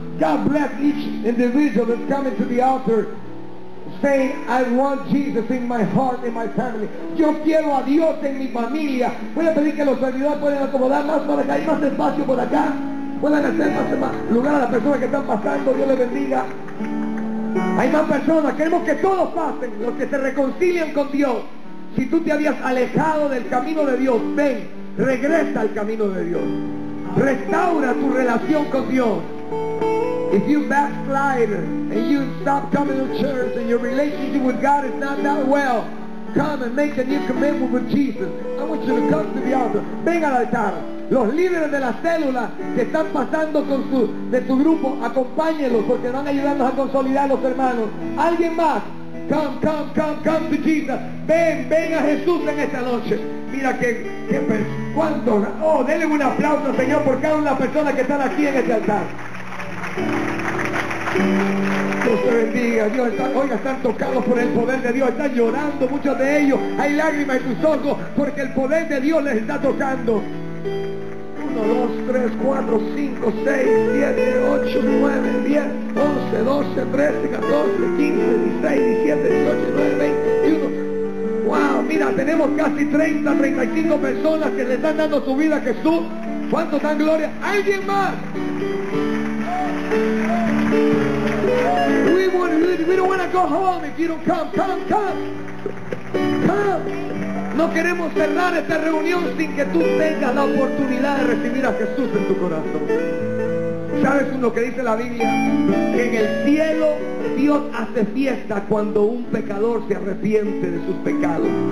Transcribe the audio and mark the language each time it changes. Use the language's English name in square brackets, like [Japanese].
[English] God bless each individual that's coming to the altar saying, I want Jesus in my heart and my family. [Spanish] Yo quiero a Dios en mi familia. Voy a pedir que los servidores puedan acomodar más para acá. Hay más espacio por acá. Puedan hacer más lugar a las personas que están pasando. Dios les bendiga. Hay más personas, queremos que todos pasen, los que se reconcilian con Dios. Si tú te habías alejado del camino de Dios, ven, regresa al camino de Dios. Restaura tu relación con Dios. [English] If you backslide and you stop coming to church and your relationship with God is not that well, come and make a new commitment with Jesus. I want you to come to the altar. [Spanish] Ven al altar. Los líderes de la célula que están pasando con su, de su grupo, acompáñenlos porque van a ayudarnos a consolidar a los hermanos. Alguien más, [English] come to Jesus. [Spanish] Ven a Jesús en esta noche. Mira que cuánto. Oh, denle un aplauso, Señor, por cada una de las personas que están aquí en este altar. Dios te bendiga. Dios está, oiga, están tocados por el poder de Dios. Están llorando muchos de ellos. Hay lágrimas en tus ojos porque el poder de Dios les está tocando. 1, 2, 3, 4, 5, 6, 7, 8, 9, 10, 11, 12, 13, 14, 15, 16, 17, 18, 19, 20, 21. Wow, mira, tenemos casi 30, 35 personas que le están dando su vida a Jesús. ¿Cuánto dan gloria? ¡Alguien más! [English] We don't want to go home if you don't come. Come. [Spanish] No queremos cerrar esta reunión sin que tú tengas la oportunidad de recibir a Jesús en tu corazón. ¿Sabes lo que dice la Biblia? Que en el cielo Dios hace fiesta cuando un pecador se arrepiente de sus pecados.